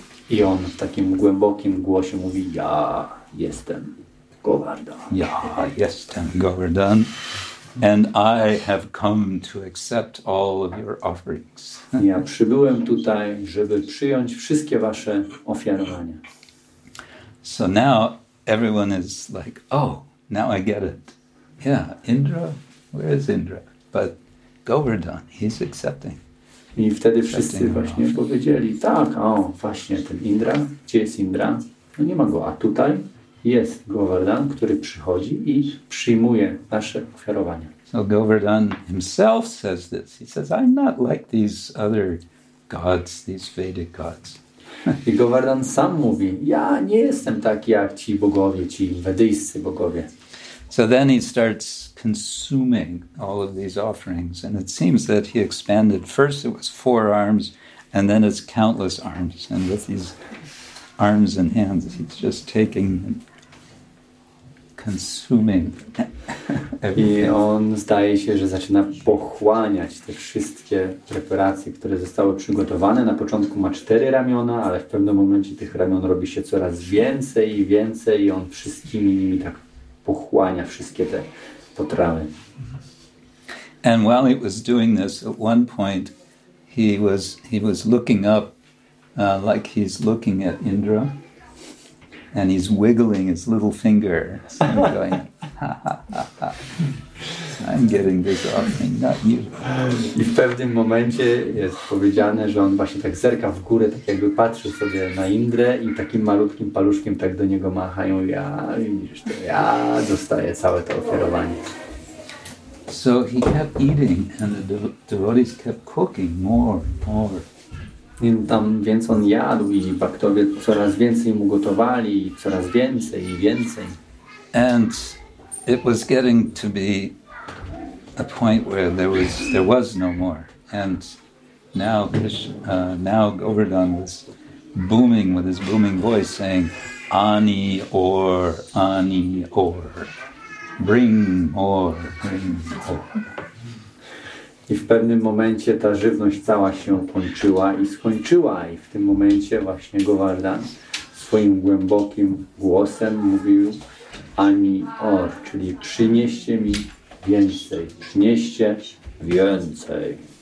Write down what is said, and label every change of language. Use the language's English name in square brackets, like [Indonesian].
[Polish] I on w takim głębokim głosie mówi, ja jestem Govardhan. Ja jestem Govardhan. [English] And I have come to accept all of your offerings. [Polish] Ja przybyłem tutaj, żeby przyjąć wszystkie wasze ofiarowania. [English] So now everyone is like, oh, now I get it. Yeah, Indra? Where is Indra? But Govardhan, he's accepting. [Polish] I wtedy wszyscy właśnie powiedzieli, tak, o, właśnie ten Indra, gdzie jest Indra? No nie ma go, a tutaj jest Govardhan, który przychodzi i przyjmuje nasze ofiarowania. [English] So Govardhan himself says this. He says, I'm not like these other gods, these Vedic gods. [Polish] I Govardhan sam mówi, ja nie jestem taki jak ci bogowie, ci wedyjscy bogowie. [English] So then he starts consuming all of these offerings, and it seems that he expanded. First it was 4 arms, and then it's countless arms, and with these arms and hands he's just taking and consuming everything. [Polish] I on zdaje się, że zaczyna pochłaniać te wszystkie preparacje, które zostały przygotowane. Na początku ma 4 ramiona, ale w pewnym momencie tych ramion robi się coraz więcej i więcej, i on wszystkimi nimi tak pochłania wszystkie te potrawy. [English] And while he was doing this, at one point he was looking up like he's looking at Indra, and he's wiggling his little finger. So I'm going, ha, ha, ha, ha. I'm getting this offering, not you. [Polish] I w pewnym momencie jest powiedziane, że on właśnie tak zerka w górę, tak jakby patrzył sobie na Indrę i takim malutkim paluszkiem tak do niego machają. Ja, widzisz to, ja dostaję całe to ofiarowanie. [English] So he kept eating, and the devotees kept cooking more. [Polish] I tam więc on jadł i baktowie coraz więcej mu gotowali, coraz więcej i więcej. [English] And it was getting to be a point where there was no more. And now Govardhan was booming with his booming voice saying, Ani or, Ani or, bring more, bring more. [Polish] I w pewnym momencie ta żywność cała się kończyła i skończyła. I w tym momencie właśnie Govardhan swoim głębokim głosem mówił Ani Or, czyli przynieście mi więcej, przynieście więcej.